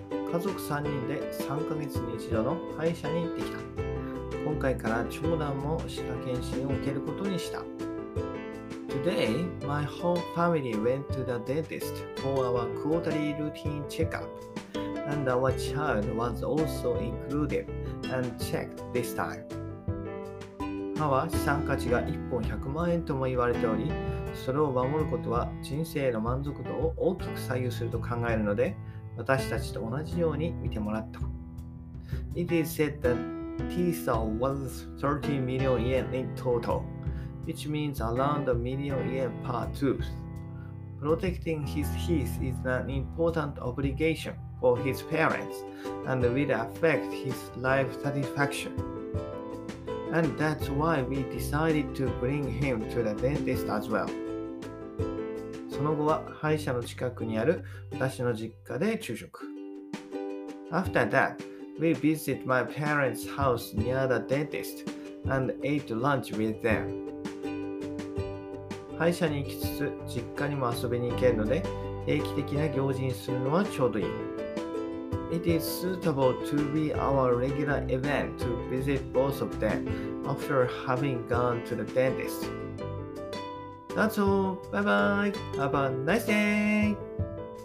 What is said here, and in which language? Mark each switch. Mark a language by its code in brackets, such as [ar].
[ja] 家族3人で3ヶ月に一度の歯医者に行ってきた。今回から長男も歯科検診を受けることにした。 [en] Today, my whole family went to the dentist for our quarterly routine checkup. And our child was also included and checked this time. [ja] 歯は資産価値が1本100万円とも言われており、それを守ることは人生の満足度を大きく左右すると考えるので、私たちと同じように見てもらった。 [en] It is said that teeth are worth 30 million yen in total, which means around a million yen per tooth. Protecting his teeth is an important obligation for his parents and will affect his life satisfaction. And that's why we decided to bring him to the dentist as well. [ja] その後は歯医者の近くにある私の実家で昼食。 [en] After that, we visited my parents' house near the dentist and ate lunch with them. [ja] 歯医者に行きつつ実家にも遊びに行けるので、定期的な行事にするのはちょうどいい。 [en] It is suitable to be our regular event to visit both of them after having gone to the dentist. That's all. Bye bye. Have a nice day.